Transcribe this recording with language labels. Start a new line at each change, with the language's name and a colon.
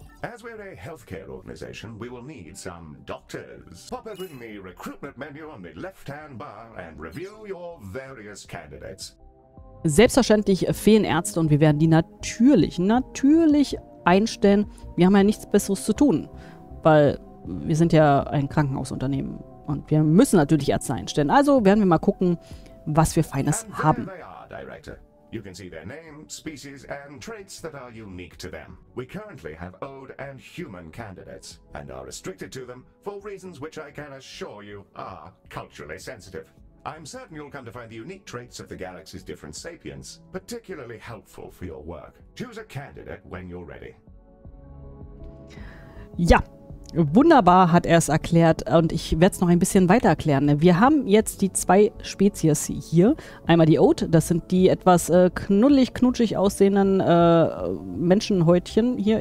English: As we're a healthcare organization, we will need some doctors. Pop open the recruitment menu on the left-hand bar and review your various candidates.
German: Selbstverständlich fehlen Ärzte und wir werden die natürlich, natürlich einstellen. Wir haben ja nichts Besseres zu tun, weil wir sind ja ein Krankenhausunternehmen und wir müssen natürlich Ärzte einstellen. Also werden wir mal gucken, was wir Feines haben.
English: You can see their name, species and traits that are unique to them. We currently have old and human candidates and are restricted to them for reasons which I can assure you are culturally sensitive. I'm certain you'll come to find the unique traits of the galaxy's different sapiens particularly helpful for your work. Choose a candidate when you're ready.
German: Ja, wunderbar hat er es erklärt und ich werde es noch ein bisschen weiter erklären. Wir haben jetzt die zwei Spezies hier. Einmal die Oat, das sind die etwas knuddelig, knutschig aussehenden Menschenhäutchen hier.